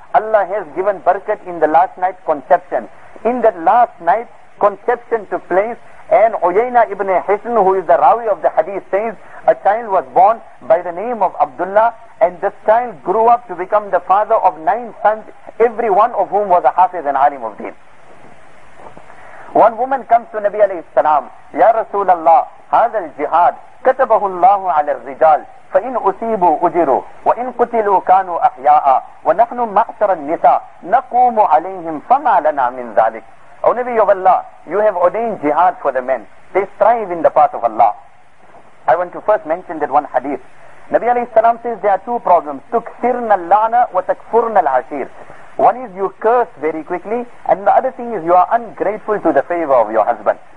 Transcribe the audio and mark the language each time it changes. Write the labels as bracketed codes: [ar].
[en] Allah has given barakat in the last night conception. In that last night, conception took place and Uyayna ibn Hisn, who is the Rawi of the Hadith, says a child was born by the name of Abdullah and this child grew up to become the father of 9 sons, every one of whom was a Hafiz and Alim of Deen. One woman comes to Nabi alayhi salam, Ya Rasulallah, [ar] هذا الجهاد كتبه الله على الرجال فإن أصيبوا أجروا وإن قتلوا كانوا أحياء ونحن معشر النساء نقوم عليهم فما لنا من ذلك. [en] O Nabi of Allah, you have ordained jihad for the men. They strive in the path of Allah. I want to first mention that one hadith. Nabi alayhi salam says there are two problems. [ar] تُكْثِرْنَ اللَّعْنَ وَتَكْفُرْنَ الْعَشِيرِ. [en] One is you curse very quickly and the other thing is you are ungrateful to the favor of your husband.